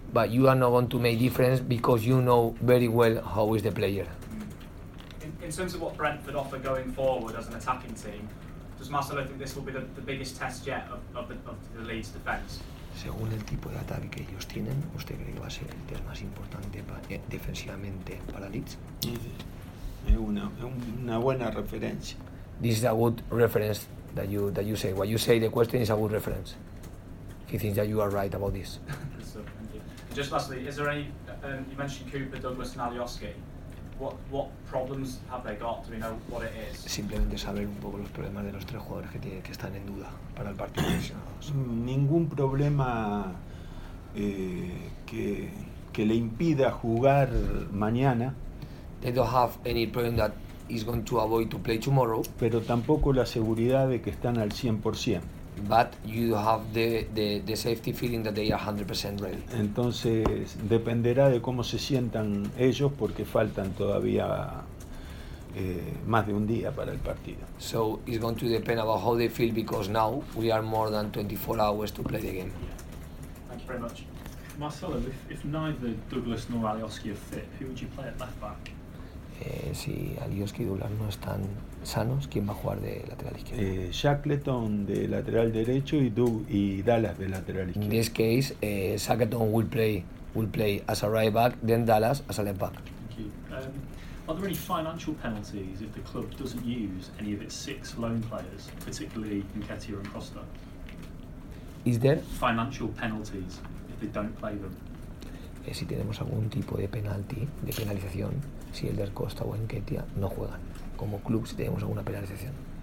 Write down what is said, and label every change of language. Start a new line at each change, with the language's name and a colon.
English: But you are not going to make difference because you know very well how is the player. In terms of what Brentford offer going forward as an attacking team, does Marcelo think this will be the biggest test yet of the Leeds defence?
Spanish: Según el tipo de ataque que ellos tienen, ¿usted cree que va a ser el test más importante defensivamente para Leeds? Es una buena referencia.
English: This is a good reference that you say. What you say, the question is a good reference. He thinks that you are right about this. Thank you. Just lastly, is there any? You mentioned Cooper, Douglas, and Alioski. What problems have they got? Do we know what it is?
Spanish: Simplemente saber un poco los problemas de los tres jugadores que están en duda para el partido de lesionados. Ningún problema que le impida jugar mañana.
English: They don't have any problem that is going to avoid to play tomorrow.
Spanish: Pero tampoco la seguridad de que están al 100%.
English: But you have the safety feeling that they are 100% ready.
Spanish: Entonces dependerá de cómo se sientan ellos porque faltan todavía más de un día para el partido.
English: So it's going to depend about how they feel because now we are more than 24 hours to play the game. Thank you very much. Marcelo, if neither Douglas nor Alioski are fit, who would you play at left back?
Spanish: Si Alioski y Douglas no están sanos, ¿quién va a jugar de lateral izquierdo? Shackleton de lateral derecho y Dallas de lateral izquierdo.
English: In this case, Shackleton will play as a right back, then Dallas as a left back. Thank you. Are there any financial penalties if the club doesn't use any of its six loan players, particularly Nketiah and Costa? Is there financial penalties if they don't play them?
Spanish: Si tenemos algún tipo de penalti, de penalización, si el de Costa o Nketia no juegan como club, si tenemos alguna penalización.